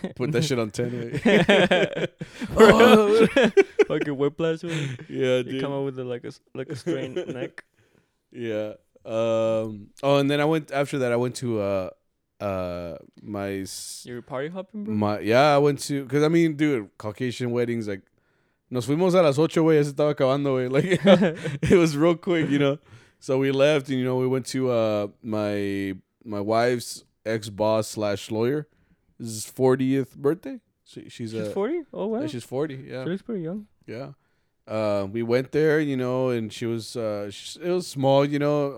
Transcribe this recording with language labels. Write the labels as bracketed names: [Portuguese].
[English] Put that shit on 10. Right? Fucking whiplash. Yeah, dude. You come up with it like a strained neck. Yeah. And then I went after that. I went to my. You were party hopping, bro. I went to because I mean, dude, Caucasian weddings like. [Spanish] Nos fuimos a las 8, güey. Ya se estaba acabando, güey. [English] Like it was real quick, you know. So we left, and you know, we went to my wife's ex-boss / lawyer. This is 40th birthday. She's 40. Oh wow. She's 40. Yeah, she's pretty young. Yeah. We went there, you know, and she was it was small, you know.